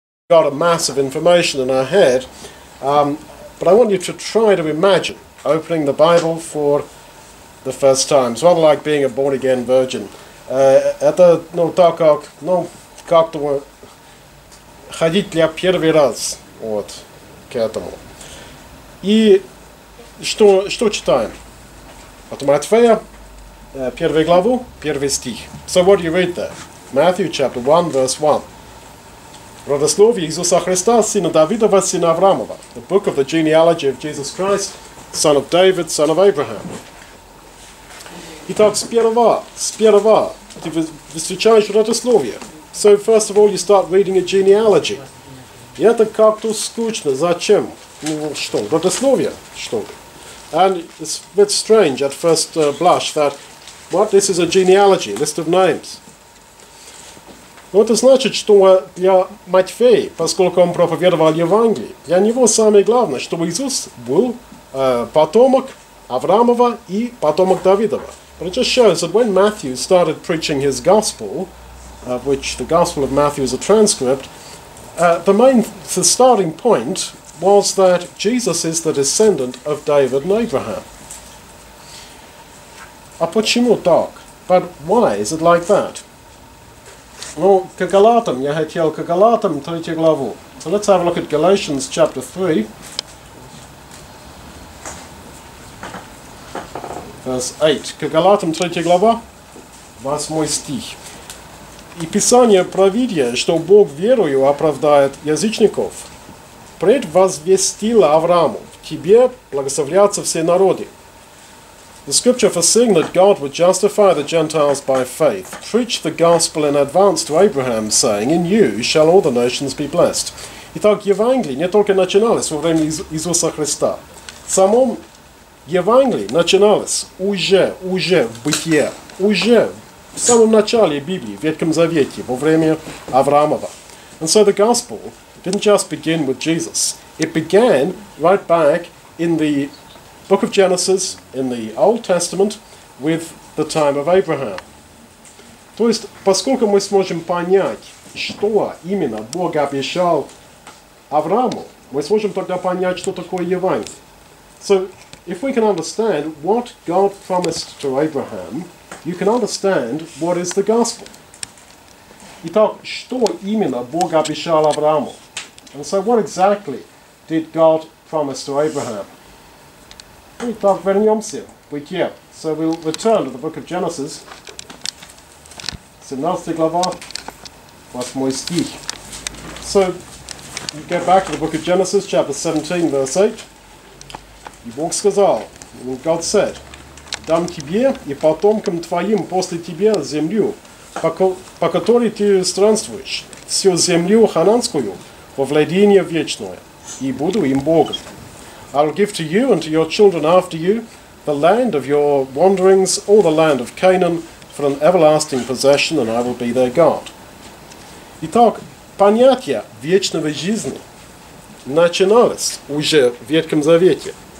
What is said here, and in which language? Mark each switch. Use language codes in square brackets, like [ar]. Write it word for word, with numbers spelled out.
[en] got a mass of information in our head, um, but I want you to try to imagine opening the Bible for the first time. It's rather like being a born-again virgin. [ru] Это ну так как ну как-то ходить для первый раз вот к этому. И что что читаем? От Матфея первую главу, первый стих. [en] So what do you read there? Matthew chapter one verse one. [ru] Родословие Иисуса Христа, сына Давидова, сына Авраамова. [en] The book of the genealogy of Jesus Christ, son of David, son of Abraham. [ru] Итак, сперва, сперва ты встречаешь родословие. [en] So first of all you start reading a genealogy. [ru] И это как-то скучно. Зачем? Ну что, родословие, что ли? [en] And it's a bit strange at first uh, blush that, what, this is a genealogy, a list of names. [ru] Но это значит, что для Матфея, поскольку он проповедовал Евангелие, для него самое главное, чтобы Иисус был uh, потомок Авраамова и потомок Давидова. [en] But it just shows that when Matthew started preaching his gospel, uh, which the Gospel of Matthew is a transcript, uh, the main, the starting point was that Jesus is the descendant of David and Abraham. [ru] А почему так? [en] But why is it like that? [ru] Ну, к Галатам, я хотел к Галатам третью главу. [en] So let's have a look at Galatians chapter three, verse eight. [ru] К Галатам третья глава, восьмой стих. И Писание провидя, что Бог верою оправдает язычников, предвозвестило Аврааму, в тебе благословлятся все народы. [en] The scripture foreseeing that God would justify the Gentiles by faith, preached the gospel in advance to Abraham, saying, in you shall all the nations be blessed. [ru] Итак, Евангелие не только начиналось во время Иисуса Христа. В самом Евангелии начиналось уже, уже в бытие, уже в самом начале Библии, в Ветхом Завете, во время Авраамова. [en] And so the gospel didn't just begin with Jesus. It began right back in the Book of Genesis in the Old Testament with the time of Abraham. [ru] То есть, поскольку мы сможем понять, что именно Бог обещал Аврааму, мы сможем тогда понять, что такое Евангелие. [en] So, if we can understand what God promised to Abraham, you can understand what is the gospel. [ru] Итак, что именно Бог обещал Аврааму? [en] And so, what exactly did God promise to Abraham? [ru] Итак, вернемся в Бытие. [en] So we'll return to the book of Genesis. [ru] семнадцатая глава, восьмой стих. [en] So, we go back to the book of Genesis, chapter seventeen, verse eight. [ru] И Бог сказал, [en] and God said, [ru] «Дам тебе и потомкам твоим после тебя землю, по, по которой ты странствуешь, всю землю хананскую во владение вечное, и буду им Богом». [en] I will give to you and to your children after you the land of your wanderings, all the land of Canaan, for an everlasting possession, and I will be their God. [ru] Итак, понятие вечной жизни начиналось уже в Ветхом Завете.